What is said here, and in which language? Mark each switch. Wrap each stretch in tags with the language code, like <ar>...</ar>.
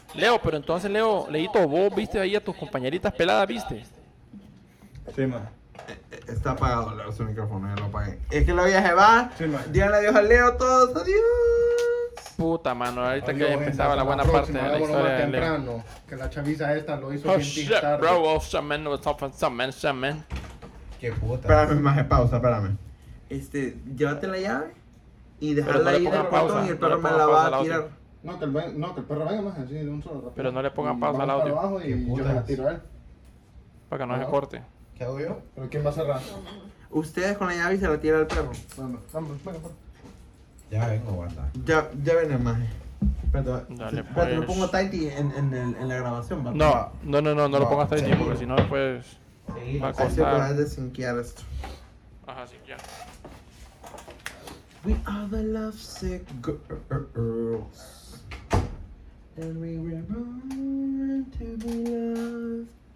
<es>Leo, pero entonces, Leo, Leito, ¿vos viste ahí a tus compañeritas peladas, viste? Sí, ma. Está apagado, Leo, su micrófono, ya lo apagué. Es que lo voy a llevar. Sí, ma. Díganle adiós a Leo, todos, adiós. Puta, mano, ahorita que ya empezaba la buena parte de la historia. Que la chaviza esta lo hizo bien tarde.</es> <en>Oh, shit, bro, man, what's up with some men, some men.</en> <es>Qué puta. Espérame, maje, pausa, espérame. Llévate la llave y déjala ahí en el portón y el perro me la va a tirar. No, que el no, que el perro venga más así de un solo rato. Pero no le pongan pausa al audio. Y yo la tiro a él. Para que no se corte. ¿Qué hago yo? ¿Pero quién va a cerrar? Ustedes con la llave y se la tira al perro. Vamos, vamos, venga, vamos. Ya vengo, banda. Ya viene el maje. Espérate, lo pongo tighty en la grabación, ¿no? No, no, no, no lo pongas tighty porque si no después va a costar. Hay que tratar de sinquear esto. Ajá, sí, ya.</es> <en>We are the lovesick girls. And we were born to be loved.</en>